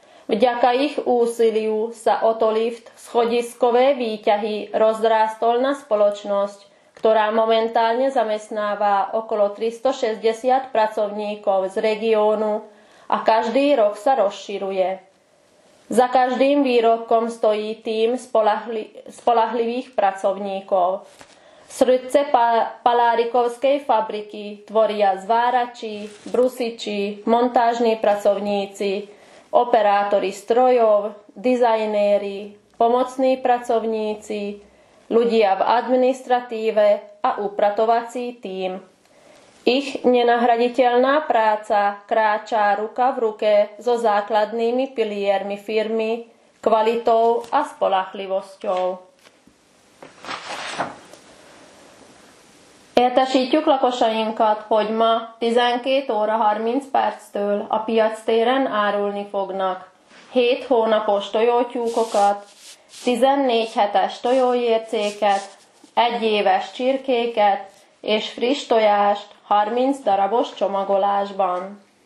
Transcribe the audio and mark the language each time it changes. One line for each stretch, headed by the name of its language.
Slovak: Vďaka ich úsiliu sa Otolift Schodiškové výťahy rozrástol na spoločnosť, ktorá momentálne zamestnáva okolo 360 pracovníkov z regiónu a každý rok sa rozširuje. Za každým výrobkom stojí tým spolahlivých pracovníkov. Srdce palárikovskej fabriky tvoria zvárači, brusiči, montážni pracovníci, operátori strojov, dizajnéri, pomocní pracovníci, ľudia v administratíve a upratovací tím. Ich nenahraditeľná práca kráča ruka v ruke so základnými piliermi firmy, kvalitou a spoľahlivosťou.
Hungarian: Értesítjük lakosainkat, hogy ma 12:30 a piac téren árulni fognak 7 hónapos tojótyúkokat, 14 hetes tojójércéket, 1 éves csirkéket és friss tojást 30 darabos csomagolásban.